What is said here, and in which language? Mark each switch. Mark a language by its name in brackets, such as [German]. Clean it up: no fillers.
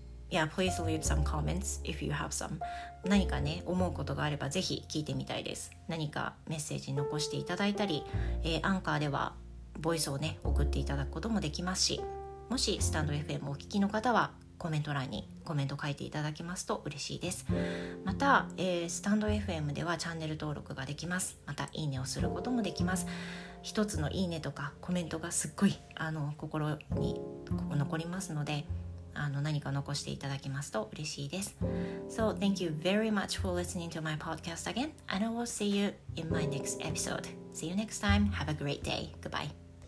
[English] Yeah, please leave some comments if you have some. [Japanese] 何かね、思うことがあればぜひ聞いてみたいです。何かメッセージ残していただいたり、アンカーではボイスをね、送っていただくこともできますし、もしスタンド FM をお聞きの方はコメント欄にコメント書いていただけますと嬉しいです。また、スタンド FM ではチャンネル登録ができます。またいいねをすることもできます。一つのいいねとかコメントがすっごいあの心に残りますので、あの何か残していただけますと嬉しいです。 [English] So thank you very much for listening to my podcast again, and I will see you in my next episode. See you next time. Have a great day. Goodbye.